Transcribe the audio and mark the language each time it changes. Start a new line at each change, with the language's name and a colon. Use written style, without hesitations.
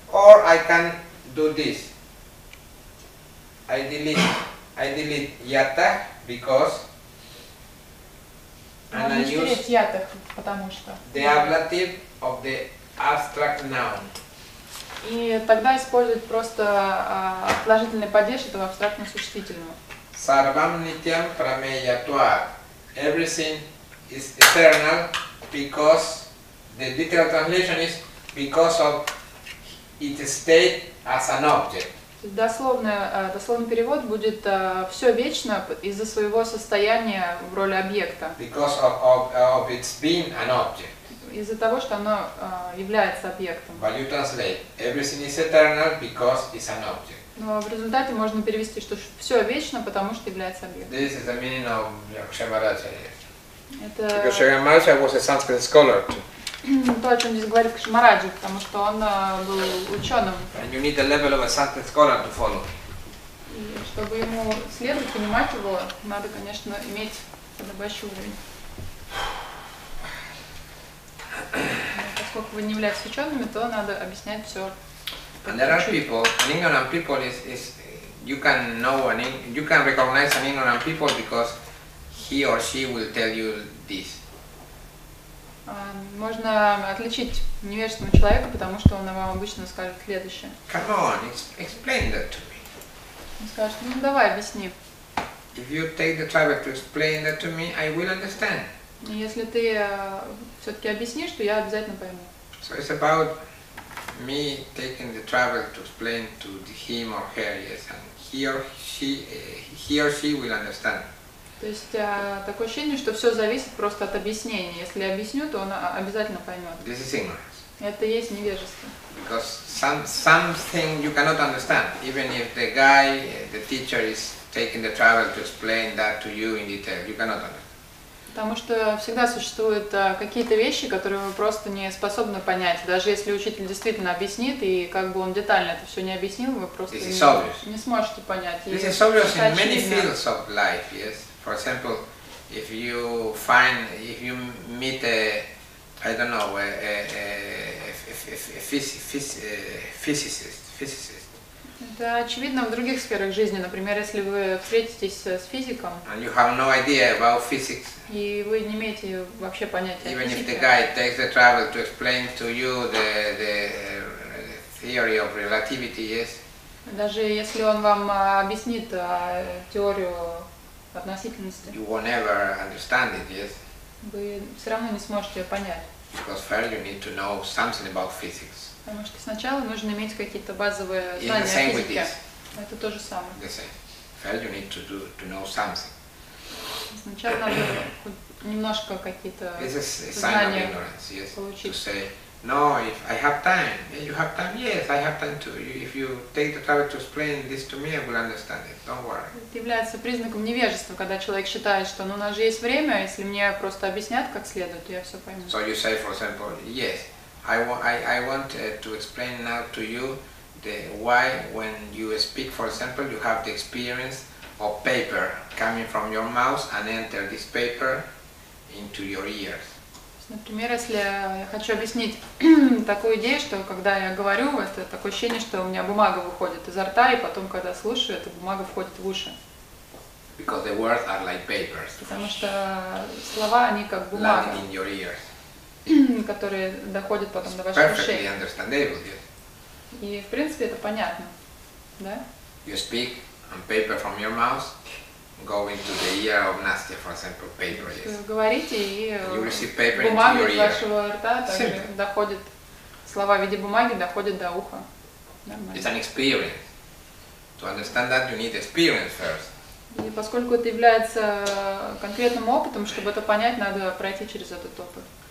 English: Or I can do this. I delete yata because. And I use yata,
Russian: потому что.
English: The ablative of the abstract noun.
Russian: И тогда использовать просто отложительный падеж этого абстрактного существительного.
Sanskrit: Sarvam nityam prameyatva.
English: Everything is eternal because the literal translation is because of its state as an object.
Russian: Дословный перевод будет все вечно из-за своего состояния в роли объекта.
English: Because of its being an object.
Russian: Из-за того, что оно является объектом.
English: But you translate everything is eternal because it's an object.
Russian: Но в результате можно перевести, что все вечно, потому что является объектом.
English: This is the meaning of Кшемарачари.
Russian: Это.
English: Because Кшемарачари was a Sanskrit scholar too.
Russian: То, о чем здесь говорит Кшемараджи, потому что он был ученым.
English: And you need the level of a Sanskrit scholar to follow.
Russian: И чтобы ему следовать, понимать его, надо, конечно, иметь подобающий уровень. Поскольку вы не являетесь учеными, то надо объяснять все.
English: And there are people, an ignorant people is you can know an you can recognize an ignorant people because he or she will tell you this.
Russian: Можно отличить невежественного человека, потому что он вам обычно скажет следующее.
English: Come on, explain that to me.
Russian: Он скажет, ну давай объясни.
English: If you take the trouble to explain that to me, I will understand.
Russian: Если ты все-таки объяснишь, то я обязательно пойму.
English: So it's about me taking the trouble to explain to him or her, yes, and he or she will understand.
Russian: То есть такое ощущение, что все зависит просто от объяснения. Если я объясню, то он обязательно поймет.
English: This is ignorance.
Russian: Это есть невежество.
English: Because something you cannot understand, even if the guy, the teacher is taking the trouble to explain that to you in detail, you cannot understand.
Russian: Потому что всегда существуют какие-то вещи, которые вы просто не способны понять. Даже если учитель действительно объяснит, и как бы он детально это все не объяснил, вы просто не сможете понять.
English: This is obvious in many fields of life, yes. For example, if you meet a physicist.
Russian: Это очевидно в других сферах жизни. Например, если вы встретитесь с физиком,
English: and you have no idea about physics,
Russian: и вы не имеете вообще понятия
English: even
Russian: о физике,
English: if the guy takes the trouble to explain to you the theory of relativity, yes,
Russian: даже если он вам объяснит теорию относительности,
English: you will never understand it, yes,
Russian: вы все равно не сможете ее понять.
English: Because first you need to know something about physics.
Russian: Потому что сначала нужно иметь какие-то базовые знания о физике. Это то же самое.
English: The same. First you need to know something.
Russian: Сначала надо немножко какие-то знания
English: ignorance, yes,
Russian: получить.
English: To say, no, if I have time, you have time, yes, I have time too. If you take the trouble to explain this to me, I will understand it. Don't worry.
Russian: Это является признаком невежества, когда человек считает, что ну, у нас же есть время, если мне просто объяснят как следует, то я все пойму.
English: So you say, for example, yes. I want to explain now to you the why when you speak, for example, you have the experience of paper coming from your mouth and enter this paper into your ears.
Russian: Например, если я хочу объяснить такую идею, что когда я говорю, это такое ощущение, что у меня бумага выходит изо рта, и потом, когда слушаю, эта бумага входит в уши.
English: Because the words are like papers.
Russian: Потому что слова, они как бумага.
English: Landing in your ears.
Russian: Которые доходят потом
English: it's
Russian: до ваших ушей.
English: Perfectly understandable, yes.
Russian: И в принципе это понятно, да?
English: You speak and paper from your mouth go into the ear of Nastya, for example, paper, yes.
Russian: Вы говорите, и
English: you receive paper
Russian: бумага
English: into your
Russian: из вашего рта также доходит, слова в виде бумаги доходят до уха. Нормально.
English: It's an experience. To understand that you need experience first.
Russian: И поскольку это является конкретным опытом, чтобы это понять, надо пройти через этот опыт.